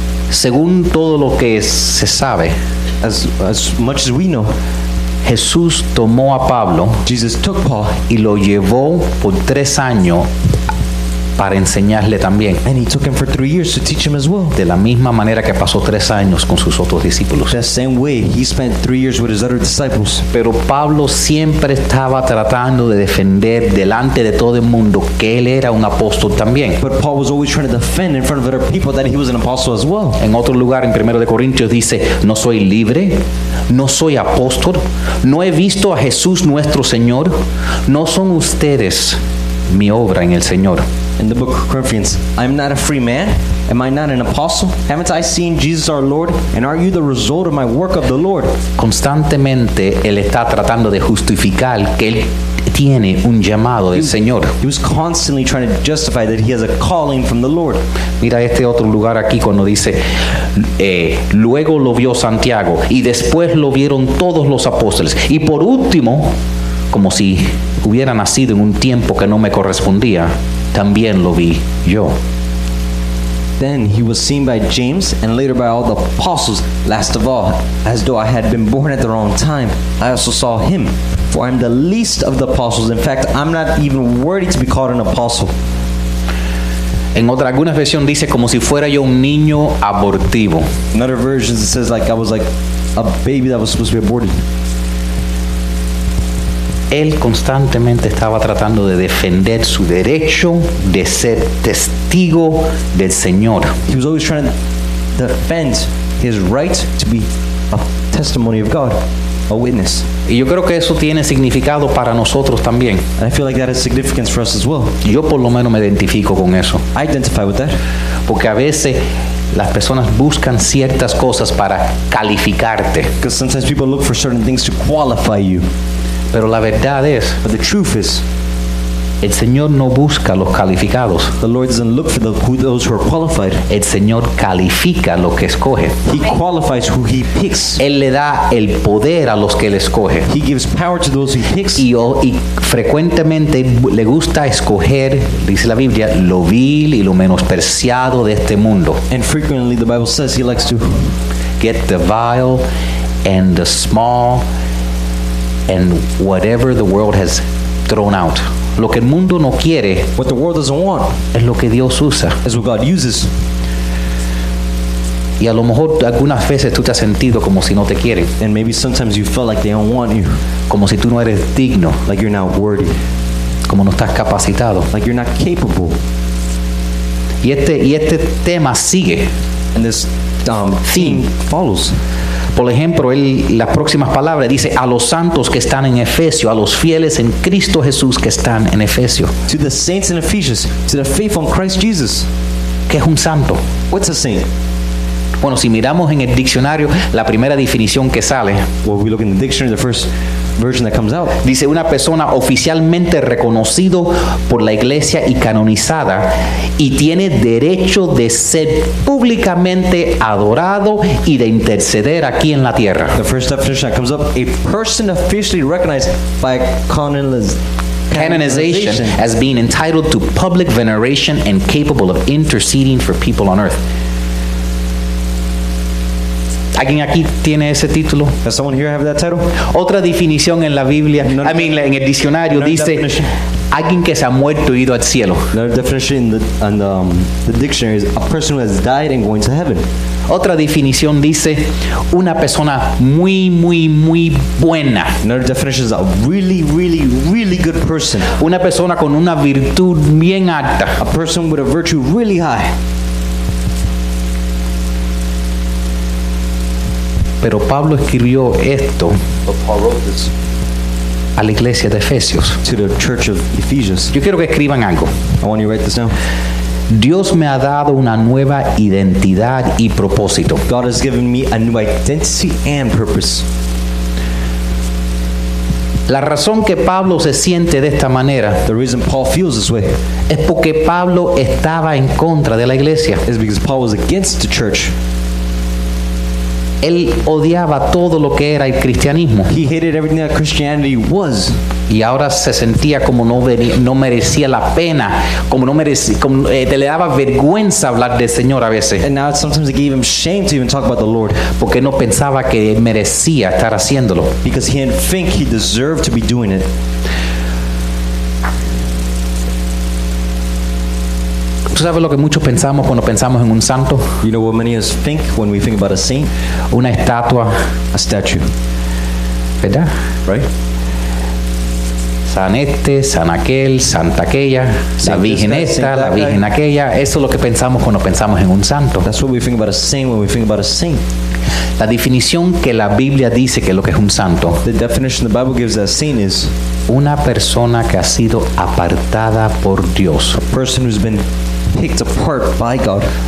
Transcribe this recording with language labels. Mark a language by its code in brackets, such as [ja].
[es] según todo lo que se sabe, [en] as much as we know, [es] Jesús tomó a Pablo, [en] Jesus took Paul, [es] y lo llevó por 3 años para enseñarle también. [en] And he took him for 3 years to teach him as well. [es] De la misma manera que pasó 3 años con sus otros discípulos. [en] The same way he spent 3 years with his other disciples. [es] Pero Pablo siempre estaba tratando de defender delante de todo el mundo que él era un apóstol también. [en] But Paul was always trying to defend in front of other people that he was an apostle as well. [es] En otro lugar, en 1 Corintios dice, no soy libre, no soy apóstol, no he visto a Jesús nuestro Señor, no son ustedes mi obra en el Señor. [en] In the book of Corinthians, I am not a free man. Am I not an apostle? Haven't I seen Jesus our Lord? And are you the result of my work of the Lord? [es] Constantemente, él está tratando de justificar que él tiene un llamado del Señor. [en] He was constantly trying to justify that he has a calling from the Lord. [es] Mira este otro lugar aquí cuando dice, luego lo vio Santiago, y después lo vieron todos los apóstoles. Y por último, como si hubiera nacido en un tiempo que no me correspondía, también lo vi yo. [en] Then he was seen by James and later by all the apostles. Last of all, as though I had been born at the wrong time, I also saw him. For I am the least of the apostles. In fact, I'm not even worthy to be called an apostle. [es] En otra alguna versión dice como si fuera yo un niño abortivo. [en] In other versions it says like I was like a baby that was supposed to be aborted. [es] Él constantemente estaba tratando de defender su derecho de ser testigo del Señor. [en] He was always trying to defend his right to be a testimony of God, a witness. [es] Y yo creo que eso tiene significado para nosotros también. [en] And I feel like that has significance for us as well. [es] Yo por lo menos me identifico con eso. [en] I identify with that. [es] Porque a veces las personas buscan ciertas cosas para calificarte. [en] Because sometimes people look for certain things to qualify you. [es] Pero la verdad es, [en] but the truth is, [es] el Señor no busca los calificados. [en] The Lord doesn't look for those who are qualified. [es] El Señor califica lo que escoge. [en] He qualifies who he picks. [es] Él le da el poder a los que él escoge. [en] He gives power to those he picks. [es] Y frecuentemente le gusta escoger, dice la Biblia, lo vil y lo menospreciado de este mundo. [en] And frequently the Bible says he likes to get the vile and the small and whatever the world has thrown out. [es] Lo que el mundo no quiere, [en] what the world doesn't want, [es] es lo que Dios usa, [en] is what God uses. [es] Y a lo mejor algunas veces tú te has sentido como si no te quieren. [en] And maybe sometimes you feel like they don't want you. [es] Como si tú no eres digno. [en] Like you're not worthy. [es] Como no estás capacitado. [en] Like you're not capable. [es] Y este tema sigue. [en] And this theme follows. [es] Por ejemplo, él las próximas palabras dice a los santos que están en Efesio, a los fieles en Cristo Jesús que están en Efesio. [en] To the saints in Ephesus, to the faithful in Christ Jesus. [es] ¿Qué es un santo? [en] What's a saint? [es] Bueno, si miramos en el diccionario, la primera definición que sale. [en] Well, we look in the dictionary, the first version that comes out. [es] Dice una persona oficialmente reconocido por la iglesia y canonizada y tiene derecho de ser públicamente adorado y de interceder aquí en la tierra. [en] The first definition that comes up, a person officially recognized by canonization as being entitled to public veneration and capable of interceding for people on earth. [es] ¿Alguien aquí tiene ese título? [en] Does someone here have that title? [es] Otra definición en la Biblia, en el diccionario dice, [en] definition. [es] Alguien que se ha muerto y ido al cielo. [en] Another definition in the dictionary is a person who has died and going to heaven. [es] Otra definición dice, una persona muy, muy, muy buena. [en] Another definition is a really, really, really good person. [es] Una persona con una virtud bien alta. [en] A person with a virtue really high. [es] Pero Pablo escribió esto a la iglesia de Efesios. [en] To the church of Ephesians. [es] Yo quiero que escriban algo. [en] I want you to write this down. [es] Dios me ha dado una nueva identidad y propósito. [en] God has given me a new identity and purpose. [es] La razón que Pablo se siente de esta manera, [en] the reason Paul feels this way, [es] es porque Pablo estaba en contra de la iglesia. [en] Is because Paul was against the church. [es] Él odiaba todo lo que era el cristianismo. [en] He hated everything that Christianity was. [es] Y ahora se sentía como no merecía la pena, le daba vergüenza hablar del Señor a veces. [en] And now sometimes it gave him shame to even talk about the Lord. [es] Porque no pensaba que merecía estar haciéndolo. [en] Because he didn't think he deserved to be doing it. [es] ¿Tú sabes lo que muchos pensamos cuando pensamos en un santo? [en] You know what many of us think when we think about a saint? [es] Una estatua. [en] A statue. [es] ¿Verdad? [en] Right? [es] San este, San aquel, Santa aquella, la Virgen esta, la Virgen aquella. Eso es lo que pensamos cuando pensamos en un santo. [en] That's what we think about a saint when we think about a saint. [es] La definición que la Biblia dice que lo que es un santo. [en] The definition the Bible gives a saint is [es] una persona que ha sido apartada por Dios. [en] A person who's been picked apart by God.